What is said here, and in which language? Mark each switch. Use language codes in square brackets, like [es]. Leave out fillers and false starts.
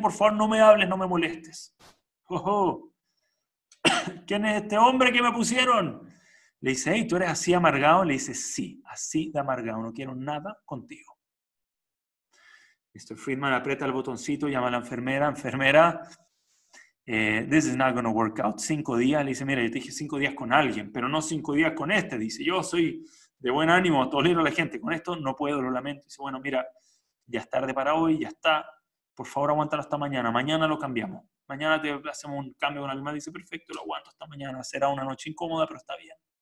[es] Por favor, no me hables, no me molestes. Oh, oh. ¿Quién es este hombre que me pusieron? Le dice, hey, ¿tú eres así amargado? Le dice, sí, así de amargado. No quiero nada contigo. Mr. Friedman aprieta el botoncito, llama a la enfermera. [en] Enfermera, this is not going to work out. [es] 5 días. Le dice, mira, yo te dije 5 días con alguien, pero no 5 días con este. Dice, yo soy de buen ánimo, tolero a la gente. Con esto no puedo, lo lamento. Dice, bueno, mira, ya es tarde para hoy, ya está. Por favor, aguántalo hasta mañana. Mañana lo cambiamos. Mañana te hacemos un cambio con alguien más. Dice, perfecto, lo aguanto hasta mañana. Será una noche incómoda, pero está bien.